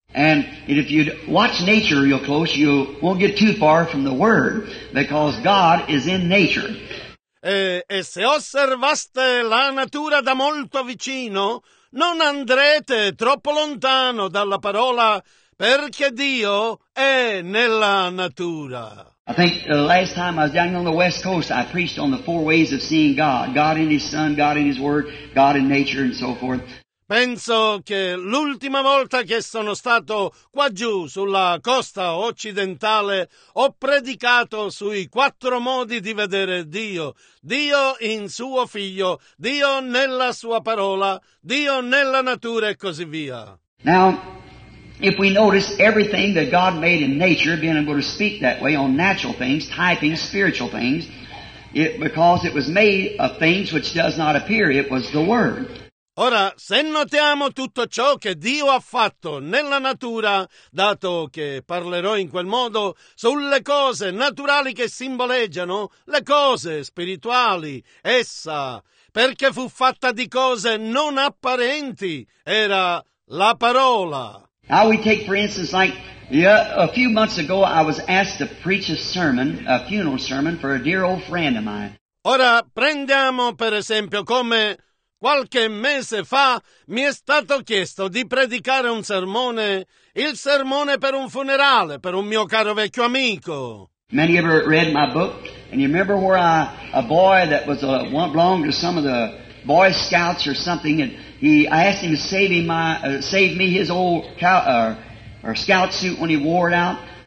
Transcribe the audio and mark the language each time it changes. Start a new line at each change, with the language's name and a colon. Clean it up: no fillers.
English: And if you watch nature real close, you won't get too far from the word, because God is in nature.
Italian: E se osservaste la natura da molto vicino, non andrete troppo lontano dalla parola, perché Dio è nella natura.
English: I think the last time I was down on the West Coast, I preached on the four ways of seeing God. God in His Son, God in His Word, God in nature, and so forth.
Italian: Penso che l'ultima volta che sono stato qua giù sulla costa occidentale ho predicato sui quattro modi di vedere Dio. Dio in suo figlio, Dio nella sua parola, Dio nella natura e così via.
English: Now, if we notice everything that God made in nature, being able to speak that way on natural things, typing spiritual things, because it was made of things which does not appear, it was the Word.
Italian: Ora, se notiamo tutto ciò che Dio ha fatto nella natura, dato che parlerò in quel modo, sulle cose naturali che simboleggiano le cose spirituali, essa, perché fu fatta di cose non apparenti, era la parola.
English: Now we take, for instance, like a few months ago, I was asked to preach a sermon, a funeral sermon, for a dear old friend of mine.
Italian: Ora, prendiamo per esempio come qualche mese fa mi è stato chiesto di predicare un sermone, il sermone per un funerale, per un mio caro vecchio amico.
English: Many of you have read my book, and you remember where a boy that was belonged to some of the Boy Scouts or something, and I asked him to save me his old scout suit when he wore it out.